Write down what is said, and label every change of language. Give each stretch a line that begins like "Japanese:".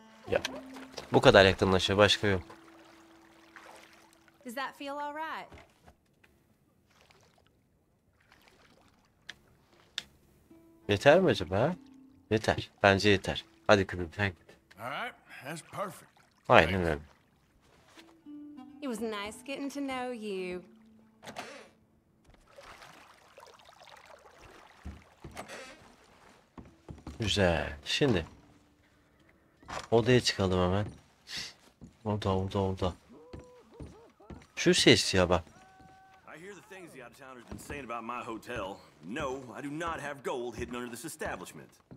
Turkish: Ya, bu kadar yakınlaşıyor, başka yok.
English: Does that feel all right?
Turkish: Yeter mi acaba? Yeter. Bence yeter. Hadi kızım, sen git.
English: Alright, that's perfect.
Turkish: Aynen öyle.
English: It was nice getting to know you.
Turkish: Güzel. Şimdi odaya çıkalım hemen. Oda, oda, oda. Şu ses ya bak.
English: I hear the things the out of towners been saying about my hotel. No, I do not have gold hidden under this establishment.